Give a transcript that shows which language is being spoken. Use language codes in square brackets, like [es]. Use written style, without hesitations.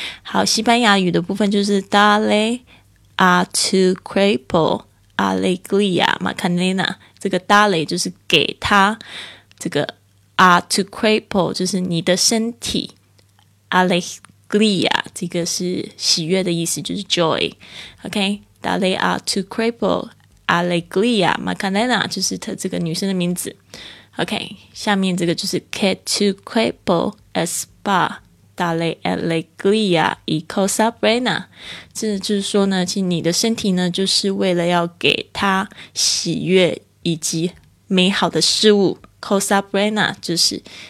[zh] 好，西班牙语的部分就是 [es] Dale a tu cuerpo alegría Macarena， [zh] 这个 Dale 就是给他，这个 [es] a tu cuerpo [zh] 就是你的身体，Alegría 这个是喜悦的意思，就是 joy。 OK， [es] Dale a tu cuerpo Alegría Macarena [zh] 就是她这个女生的名字。 OK， 下面这个就是 [es] Que tu cuerpo es pa Dale alegría y cosa buena， [zh] 这就是说呢，其实你的身体呢就是为了要给她喜悦以及美好的事物。 [es] Cosa buena [zh] 就是